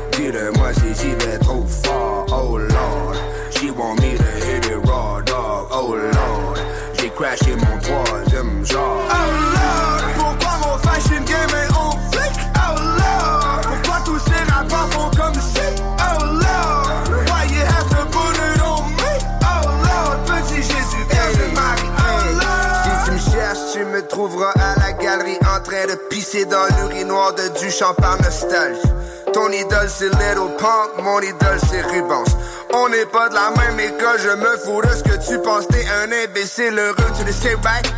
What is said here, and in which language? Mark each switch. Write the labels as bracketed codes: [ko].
[fr] Dis-le-moi si j'y vais trop fort, oh Lord. [en] She want me to hit it raw, dog, oh Lord. [fr] J'ai crashé mon troisième jar. Oh Lord, pourquoi mon fashion game est on flic? Oh Lord, pourquoi tous ces rappeurs font comme si? [en] Oh Lord, why you have to put it on me? [fr] Oh Lord, petit Jésus, Vierge Marie. Oh Lord, si tu me cherches, tu me trouveras à la galerie en train de pisser dans l'urinoir de Duchamp par nostalgie. Ton idole c'est Little Pump, mon idole c'est Rubens. On n'est pas de la même école, je me fous de ce que tu penses. T'es un imbécile heureux, tu le sais, right?